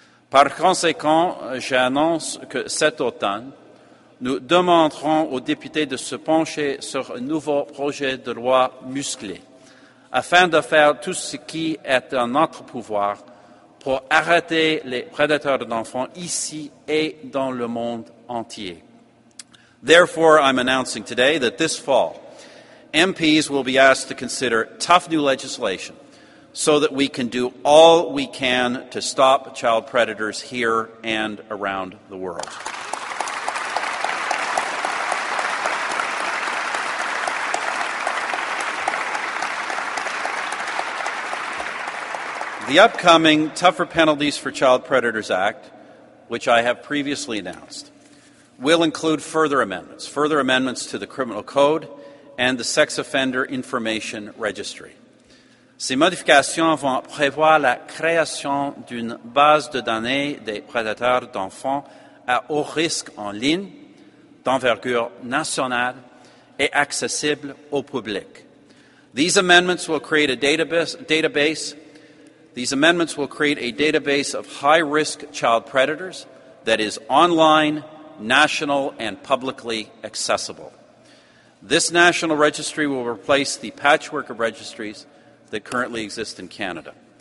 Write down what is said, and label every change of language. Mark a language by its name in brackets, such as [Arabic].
[French] Par conséquent, j'annonce que cet automne, nous demanderons aux députés de se pencher sur un nouveau projet de loi musclé, afin de faire tout ce qui est en notre pouvoir pour arrêter les prédateurs d'enfants ici et dans le monde entier. [English] Therefore, I'm announcing today that this fall, MPs will be asked to consider tough new legislation so that we can do all we can to stop child predators here and around the world. The upcoming Tougher Penalties for Child Predators Act, which I have previously announced, will include further amendments to the Criminal Code and the Sex Offender Information Registry. [French] Ces modifications vont prévoir la création d'une base de données des prédateurs d'enfants à haut risque en ligne, d'envergure nationale et accessible au public. [English] These amendments will create a database. These amendments will create a database of high-risk child predators that is online, national, and publicly accessible. This national registry will replace the patchwork of registries that currently exist in Canada.